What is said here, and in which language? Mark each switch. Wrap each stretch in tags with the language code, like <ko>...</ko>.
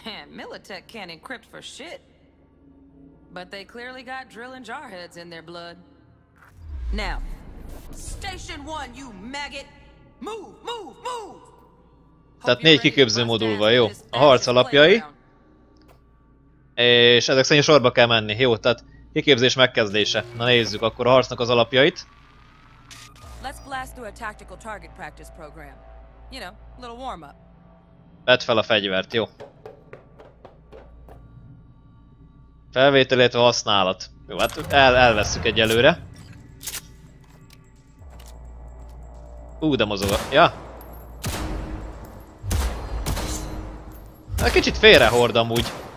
<en>Militech can't encrypt for shit. But they clearly got drill and jarheads in their blood. Now, station one, you maggot! Move!</en> <hu>Tehát négy kiképző modulva, jó. A harc alapjai. És ezek szerint sorba kell menni. Jó, tehát kiképzés megkezdése. Na nézzük akkor a harcnak az alapjait.</hu> <en>Let's blast through a tactical target practice program. You know, a little warm-up.</en> <hu>Vedd fel a fegyvert, jó. Felvétel, illetve használat. Jó, hát elvesszük egyelőre. De mozog a... Ja! Egy kicsit félrehord amúgy.</hu>